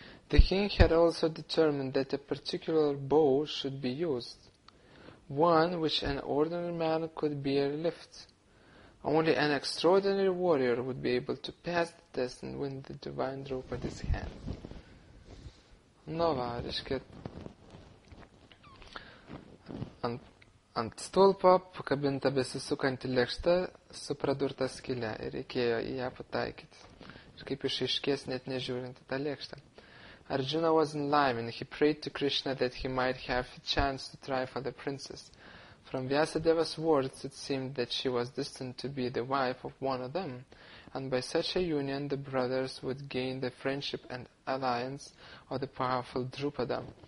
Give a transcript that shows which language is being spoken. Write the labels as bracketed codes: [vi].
[en] The king had also determined that a particular bow should be used. one which an ordinary man could barely lift. Only an extraordinary warrior would be able to pass the test and win the divine Draupadi's hand. [lt] Nu va, reiškia, ant stulpo pakabinta besisukanti lėkšta su pradurta skile ir reikėjo į ją pataikyti. Ir kaip išaiškės, net nežiūrint į tą lėkštą. [en] Arjuna was in lime and he prayed to Krishna that he might have a chance to try for the princess. From Vyasadeva's words, it seemed that she was destined to be the wife of one of them, and by such a union, the brothers would gain the friendship and alliance of the powerful Draupada.